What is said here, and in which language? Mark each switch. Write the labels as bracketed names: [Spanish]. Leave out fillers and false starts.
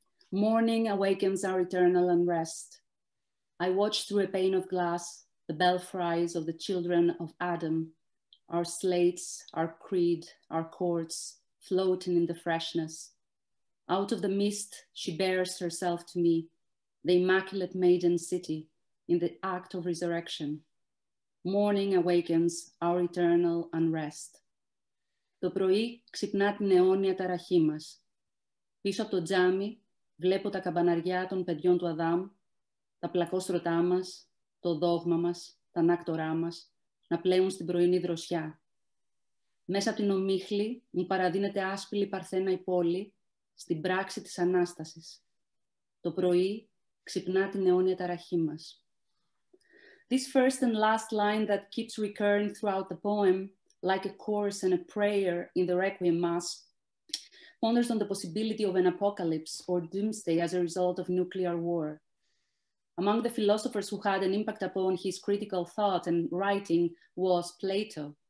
[English] Morning awakens our eternal unrest. I watch through a pane of glass the belfries of the children of Adam, our slates, our creed, our courts, floating in the freshness. Out of the mist, she bears herself to me, the immaculate maiden city in the act of resurrection. Morning awakens our eternal unrest. [Greek] Το πρωί ξυπνά την αιώνια ταραχή μας. Πίσω από το τζάμι βλέπω τα καμπαναριά των παιδιών του Αδάμ, τα πλακόστρωτά μας, το δόγμα μας, τα ανάκτορά μας, να πλέουν στην πρωινή δροσιά. Μέσα από την ομίχλη μου παραδίνεται άσπηλη παρθένα η πόλη, στην πράξη της Ανάστασης. Το πρωί ξυπνά την αιώνια ταραχή μας. [English] This first and last line that keeps recurring throughout the poem, like a chorus and a prayer in the Requiem Mass, ponders on the possibility of an apocalypse or doomsday as a result of nuclear war. Among the philosophers who had an impact upon his critical thought and writing was Plato.